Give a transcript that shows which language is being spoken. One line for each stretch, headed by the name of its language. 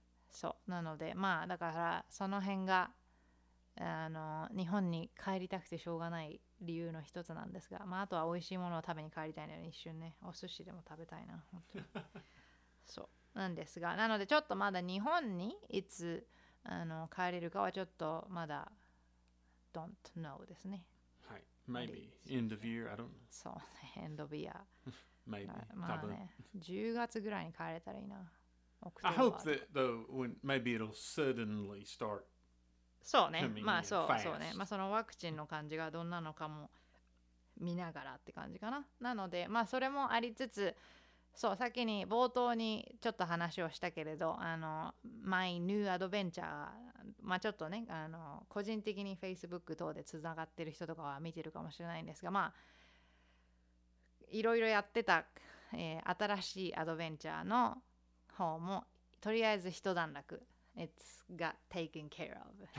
Japanese: そうなのでまあだからその辺があの日本に帰りたくてしょうがない理由の一つなんですが、まあ、あとは美味しいものを食べに帰りたいのに一瞬ねお寿司でも食べたいな本当にそうなんですがなのでちょっとまだ日本にいつあの帰れるかはちょっとまだ
English: don't know
Japanese: ですね。
English: はい、maybe end of year, I don't know.
Japanese: そうね、
English: end of year. maybe.
Japanese: まあね、10月ぐらいに帰れたらいいな。
English: I hope that though when maybe it'll suddenly start.
Japanese: そうね、まあそう、そうね、まあそのワクチンの感じがどんなのかも見ながらって感じかな。なので、まあそれもありつつ。そう先に冒頭にちょっと話をしたけれどあの My New Adventure、まあ、ちょっとねあの個人的に Facebook 等でつながってる人とかは見てるかもしれないんですがまあいろいろやってた、新しいアドベンチャーの方もとりあえず一段落
English: It's got taken care of